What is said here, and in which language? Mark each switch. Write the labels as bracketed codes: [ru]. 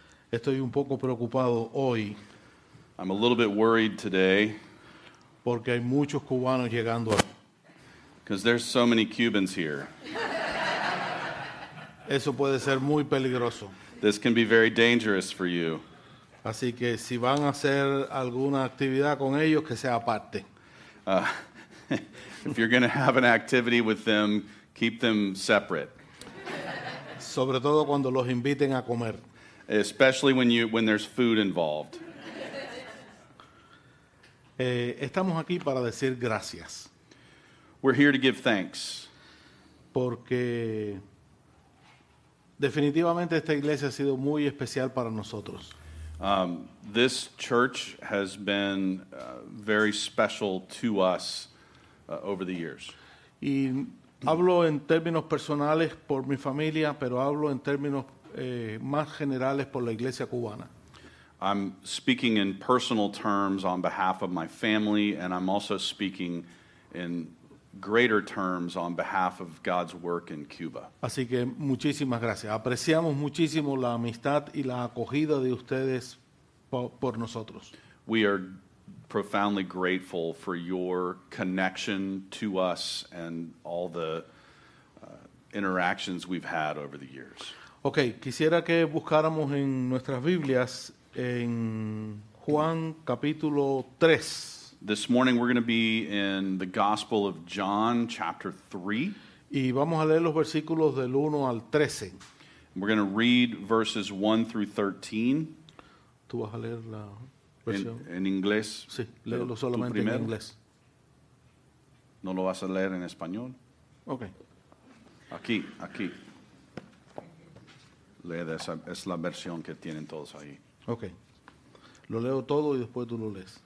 [es] Estoy un poco preocupado hoy. [en] I'm a little bit worried today. [es] Porque hay muchos cubanos llegando. [en] Because there's so many Cubans here. [es] Eso puede ser muy peligroso. [en] This can be very dangerous for you. [es] Así que si van a hacer alguna actividad con ellos, que sea aparte. [en] If you're going to have an activity with them, keep them separate. [es] Sobre todo cuando los inviten a comer. [en] Especially when there's food involved. [es] Estamos aquí para decir gracias. [en] We're here to give thanks. [es] Porque definitivamente esta iglesia ha sido muy especial para nosotros. [en] This church has been very special to us over the years. [es] Y hablo en términos personales por mi familia, pero hablo en términos más generales por la iglesia cubana. [en] I'm speaking in personal terms on behalf of my family, and I'm also speaking in greater terms on behalf of God's work in Cuba. [es] Así que muchísimas gracias. Apreciamos muchísimo la amistad y la acogida de ustedes por nosotros. [en] We are profoundly grateful for your connection to us and all the interactions we've had over the years. [es] Okay, quisiera que buscáramos en nuestras Biblias en Juan capítulo 3. [en] This morning we're going to be in the Gospel of John chapter 3. [es] Y vamos a leer los versículos del 1 al 13. [en] We're going to read verses 1 through 13. [es] Tú vas a leer la versión. En inglés. Sí, léelo solamente en inglés. ¿No lo vas a leer en español? Okay. Aquí. Lee de esa, es la versión que tienen todos ahí. Okay. Lo leo todo y después tú lo lees.